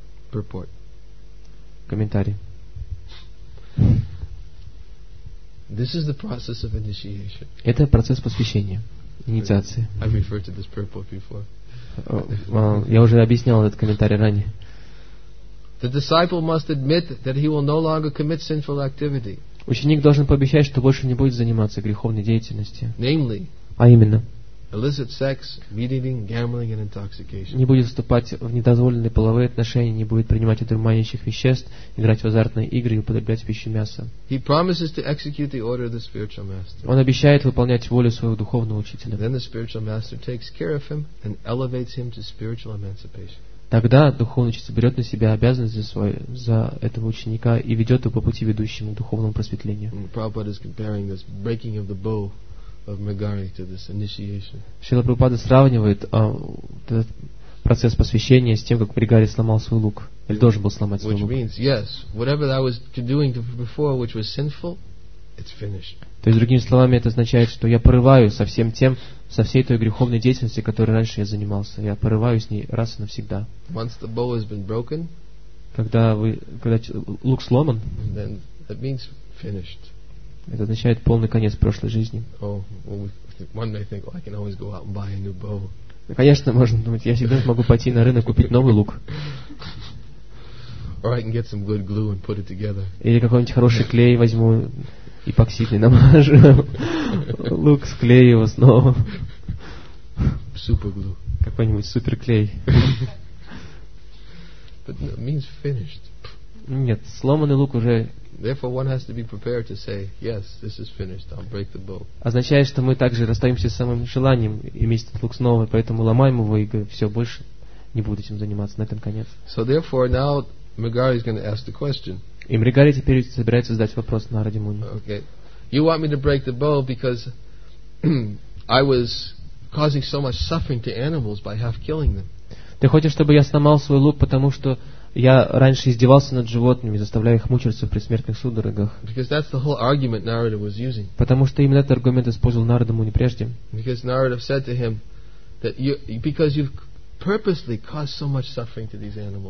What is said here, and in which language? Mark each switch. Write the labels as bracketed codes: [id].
[en] Purport. [ru] Комментарий. [en] This is the process of initiation. [ru] Это процесс посвящения, инициации. [en] I've referred to this purport before. [ru] Я уже объяснял этот комментарий ранее. [en] The disciple must admit that he will no longer commit sinful activity. [ru] Ученик должен пообещать, что больше не будет заниматься греховной деятельностью. [en] Namely, [ru] а именно, [en] illicit sex, meat eating, gambling, and intoxication. [ru] Не будет вступать в недозволенные половые отношения, не будет принимать одурманивающих веществ, играть в азартные игры и употреблять в пищу мясо. [en] He promises to execute the order of the spiritual master. [ru] Он обещает выполнять волю своего духовного учителя. [en] Then the spiritual master takes care of him and elevates him to spiritual emancipation. [ru] Тогда духовный учитель берет на себя обязанность за этого ученика и ведет его по пути, ведущему к духовному просветлению. [en] Prabhupada is comparing this breaking of the bow of Megari to this initiation. [ru] Шрила Прабхупада сравнивает этот процесс посвящения с тем, как Мегари сломал свой лук, или должен был сломать свой лук. [en] Which means, yes, whatever I was doing before, which was sinful, it's finished. [ru] То есть, другими словами, это означает, что я порываю со всем тем, со всей той греховной деятельностью, которой раньше я занимался. Я порываю с ней раз и навсегда. [en] Once the bow has been broken, [ru] когда лук сломан, [en] then that means finished. [ru] Это означает полный конец прошлой жизни. Конечно, можно думать, я всегда могу пойти на рынок купить новый лук. [en] Or I can get some good glue and put it together. [ru] Или какой-нибудь хороший клей возьму, эпоксидный намажу. Лук склею его снова. [en] Super glue. [ru] Какой-нибудь суперклей. [en] But it means finished. [ru] Нет, сломанный лук уже. [en] Therefore, one has to be prepared to say, "Yes, this is finished. I'll break the bow." [ru] Означает, что мы также расстаемся с самым желанием иметь этот лук снова, поэтому ломаем его и говорим: "Все, больше не буду этим заниматься, на этом конец." [en] So therefore, now Megari is going to ask the question. [ru] И Мегари теперь собирается задать вопрос на Радимуни. [en] Okay, you want me to break the bow because I was causing so much suffering to animals by half killing them. [ru] Ты хочешь, чтобы я сломал свой лук, потому что я раньше издевался над животными, заставляя их мучиться в предсмертных судорогах. [en] Because that's the whole argument Narada was using. [ru] Потому что именно этот аргумент использовал Нарада Муни прежде. [en] Because Narada said to him that you, because you've purposely caused so much suffering to these animals,